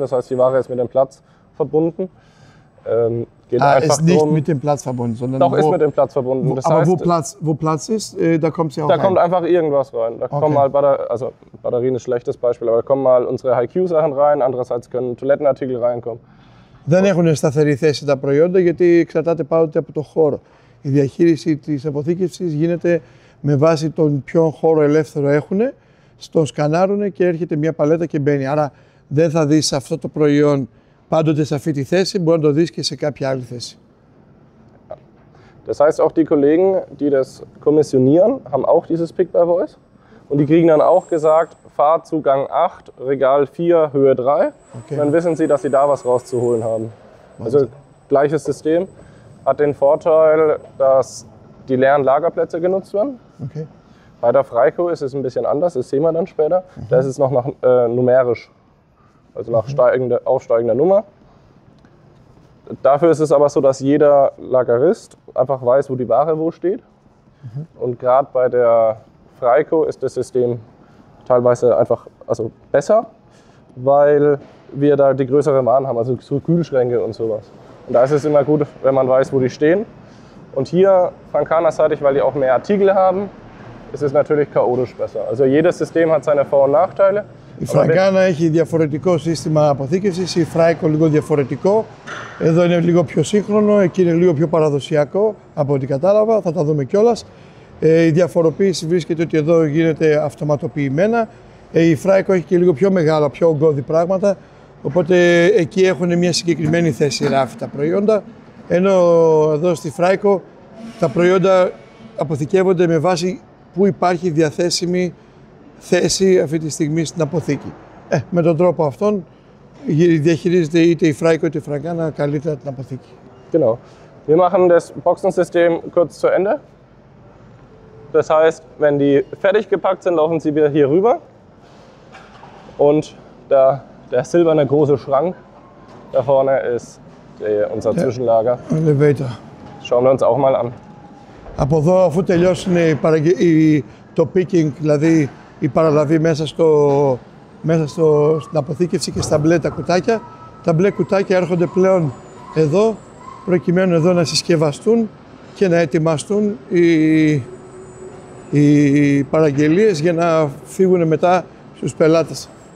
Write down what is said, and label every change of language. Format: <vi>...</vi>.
<de>Das heißt, die Ware ist mit dem Platz verbunden. Ist nicht mit dem Platz verbunden, sondern doch, ist mit dem Platz verbunden. Das aber heißt, wo Platz ist, da kommt sie auch da rein. Da kommt einfach irgendwas rein. Da okay. kommen mal Batterien ist ein schlechtes Beispiel, aber da kommen mal unsere HiQ-Sachen rein, andererseits können Toilettenartikel reinkommen.</de> <el>Δεν έχουν σταθερή θέση τα προϊόντα, γιατί εξαρτάται πάντοτε από το χώρο. Η διαχείριση της αποθήκευσης γίνεται με βάση τον ποιο χώρο ελεύθερο έχουν, στον σκανάρουν και έρχεται μια παλέτα και μπαίνει. Άρα δεν θα δεις αυτό το προϊόν πάντοτε σε αυτή τη θέση, μπορεί να το δεις και σε κάποια άλλη θέση.</el> <de>Das heißt, auch die Kollegen, die das kommissionieren, haben auch dieses Pick by Voice. Und die kriegen dann auch gesagt, fahr zu Gang 8, Regal 4, Höhe 3. Okay. Dann wissen sie, dass sie da was rauszuholen haben. Also gleiches System. Hat den Vorteil, dass die leeren Lagerplätze genutzt werden. Okay. Bei der Freiko ist es ein bisschen anders, das sehen wir dann später. Mhm. Da ist es noch nach, numerisch, also nach aufsteigender Nummer. Dafür ist es aber so, dass jeder Lagerist einfach weiß, wo die Ware wo steht. Mhm. Und gerade bei der Freiko ist das System teilweise einfach besser, weil wir da die größere Waren haben, also so Kühlschränke und sowas. Und da ist es immer gut, wenn man weiß, wo die stehen. Und hier, Frankana-seitig, weil die auch mehr Artikel haben, ist es natürlich chaotisch besser. Also jedes System hat seine Vor- und Nachteile.</de> <el>Η Φραγκάνα έχει διαφορετικό σύστημα αποθήκευσης, η Φράικο λίγο διαφορετικό. Εδώ είναι λίγο πιο σύγχρονο, εκεί είναι λίγο πιο παραδοσιακό από ό,τι κατάλαβα, θα τα δούμε κιόλας. Η διαφοροποίηση βρίσκεται ότι εδώ γίνεται αυτοματοποιημένα. Η Φράικο έχει και λίγο πιο μεγάλα, πιο ογκώδη πράγματα, οπότε εκεί έχουν μια συγκεκριμένη θέση ράφη τα προϊόντα. Ενώ εδώ στη Φράικο τα προϊόντα αποθηκεύονται με βάση που υπάρχει διαθέσιμη θέση αυτή τη στιγμή στην αποθήκη. Με τον τρόπο αυτόν διαχειρίζεται είτε η Φράικο είτε η Φραγκάνα καλύτερα την αποθήκη.</el> <de>Genau. Wir machen das Boxensystem kurz zu Ende. Das heißt, wenn die fertig gepackt sind, laufen sie wieder hier rüber. Und der silberne große Schrank da vorne ist unser Zwischenlager.</de> <en>Elevator.</en> <de>Schauen wir uns auch mal an.</de> <el>Από εδώ, αφού τελειώσουν το picking, δηλαδή η παραλαβή μέσα στην αποθήκευση και στα μπλε τα κουτάκια. Τα μπλε κουτάκια έρχονται πλέον εδώ, προκειμένου εδώ να συσκευαστούν και να ετοιμαστούν οι παραγγελίες για να φύγουν μετά στους πελάτες.</el>